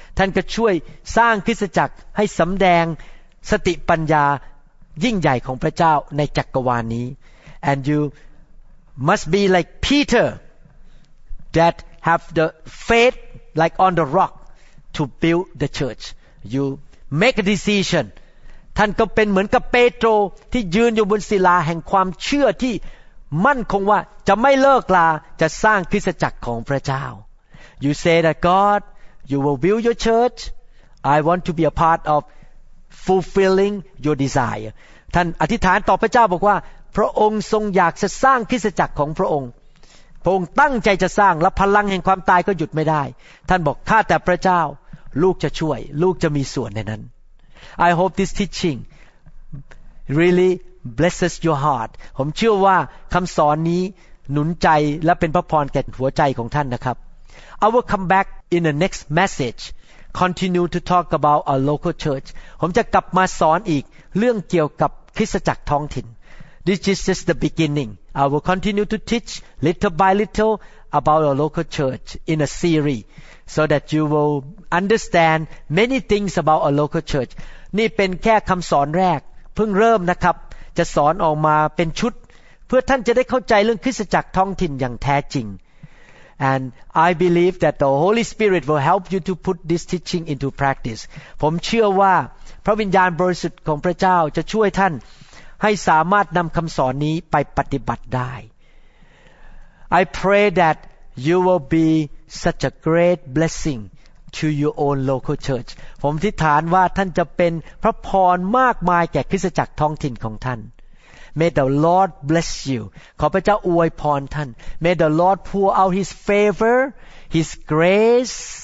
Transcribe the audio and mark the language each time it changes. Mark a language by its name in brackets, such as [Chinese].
[Thai] ท่านก็ช่วยสร้างคริสตจักรให้สำแดงสติปัญญายิ่งใหญ่ของพระเจ้าในจักรวาลนี้ [English] And you must be like Peter that have the faith like on the rock to build the church. You make a decision. [Thai] ท่านก็เป็นเหมือนกับเปโตรที่ยืนอยู่บนศิลาแห่งความเชื่อที่มั่นคงว่าจะไม่เลิกลาจะสร้างคริสตจักรของพระเจ้า [English] You say that God, you will build your church. I want to be a part of fulfilling your desire. [Thai] ท่านอธิษฐานต่อพระเจ้าบอกว่าพระองค์ทรงอยากจะสร้างคริสตจักรของพระองค์พระองค์ตั้งใจจะสร้างและพลังแห่งความตายก็หยุดไม่ได้ท่านบอกข้าแต่พระเจ้าลูกจะช่วยลูกจะมีส่วนในนั้น [English] I hope this teaching really blesses your heart [Thai] ผมเชื่อว่าคำสอนนี้หนุนใจและเป็นพระพรแก่หัวใจของท่านนะครับ [English] I will come back in the next message continue to talk about a local church [Thai] ผมจะกลับมาสอนอีกเรื่องเกี่ยวกับคริสตจักรท้องถิ่น [English] This is just the beginning. I will continue to teach little by little about our local church in a series so that you will understand many things about our local church. [Thai] นี่เป็นแค่คำสอนแรกเพิ่งเริ่มนะครับจะสอนออกมาเป็นชุดเพื่อท่านจะได้เข้าใจเรื่องคริสตจักรท้องถิ่นอย่างแท้จริง [English] And I believe that the Holy Spirit will help you to put this teaching into practice. [Thai] ผมเชื่อว่าพระวิญญาณบริสุทธิ์ของพระเจ้าจะช่วยท่านให้สามารถนำคำสอนนี้ไปปฏิบัติได้ [English] I pray that you will be such a great blessing to your own local church [Thai] ผมอธิษฐานว่าท่านจะเป็นพระพรมากมายแก่คริสตจักรท้องถิ่นของท่าน [English] May the Lord bless you [Thai] ขอพระเจ้าอวยพรท่าน [English] May the Lord pour out His favor His grace